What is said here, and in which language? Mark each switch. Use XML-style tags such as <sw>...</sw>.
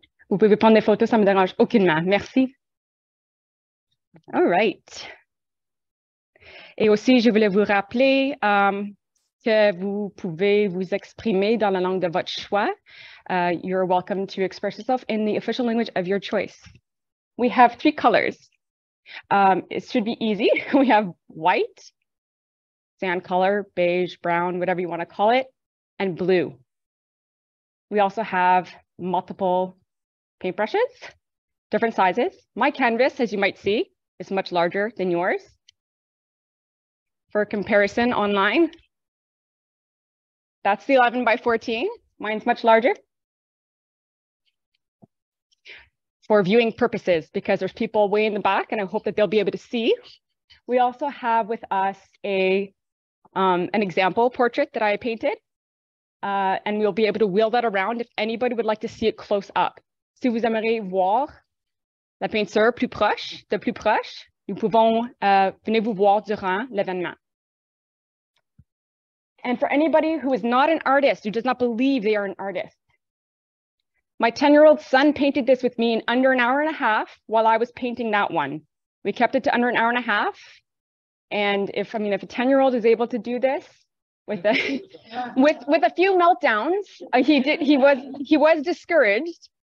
<fr>Vous pouvez prendre des photos, ça me dérange aucunement. Merci.</fr> <en>All right.</en> <fr>Et aussi, je voulais vous rappeler que vous pouvez vous exprimer dans la langue de votre choix.</fr> <en>You're welcome to express yourself in the official language of your choice. We have three colors. It should be easy. We have white, sand color, beige, brown, whatever you want to call it, and blue. We also have multiple paintbrushes, different sizes. My canvas, as you might see, is much larger than yours. For comparison online, that's the 11 by 14. Mine's much larger. For viewing purposes, because there's people way in the back and I hope that they'll be able to see. We also have with us a an example portrait that I painted. And we'll be able to wheel that around if anybody would like to see it close up.</en> <fr>Si vous aimeriez voir la peinture plus proche, de plus proche, nous pouvons venir vous voir durant l'événement.</fr> <en>And for anybody who is not an artist, who does not believe they are an artist, my 10-year-old son painted this with me in under an hour and a half while I was painting that one. We kept it to under an hour and a half. And if, I mean, if a 10-year-old is able to do this with a, with a few meltdowns, he was discouraged.</en>